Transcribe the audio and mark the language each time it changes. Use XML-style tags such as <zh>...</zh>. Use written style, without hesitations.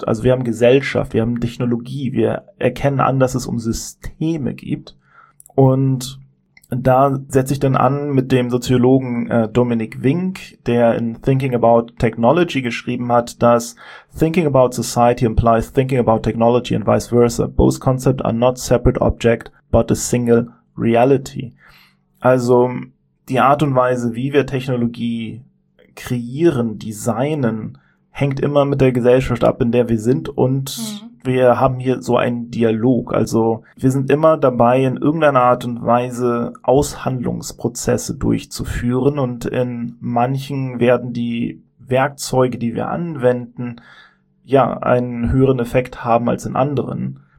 <de>Also wir haben Gesellschaft, wir haben Technologie, wir erkennen an, dass es um Systeme geht. Und da setze ich dann an mit dem Soziologen Dominik Wink, der in</de> <en>Thinking About Technology geschrieben hat, dass Thinking About Society implies Thinking About Technology and vice versa. Both concepts are not separate object, but a single reality.</en> <de>Also die Art und Weise, wie wir Technologie kreieren, designen, hängt immer mit der Gesellschaft ab, in der wir sind und wir haben hier so einen Dialog. Also wir sind immer dabei, in irgendeiner Art und Weise Aushandlungsprozesse durchzuführen und in manchen werden die Werkzeuge, die wir anwenden, ja, einen höheren Effekt haben als in anderen.</de>